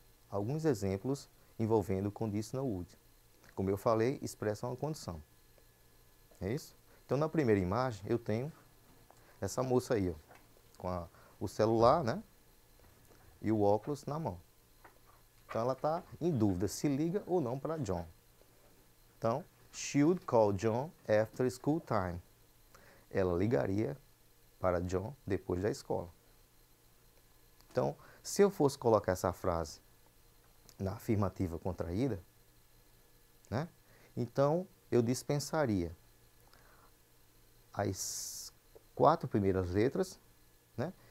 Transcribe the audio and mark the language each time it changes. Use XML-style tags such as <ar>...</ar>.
<pt>Alguns exemplos envolvendo conditional would. Como eu falei, expressam uma condição. É isso? Então, na primeira imagem, eu tenho essa moça aí, ó, com o celular, né, e o óculos na mão. Então, ela está em dúvida se liga ou não para John.</pt> <en>Então, she would call John after school time.</en> <pt>Ela ligaria para John depois da escola. Então, se eu fosse colocar essa frase na afirmativa contraída, né? Então, eu dispensaria as quatro primeiras letras, né?</pt>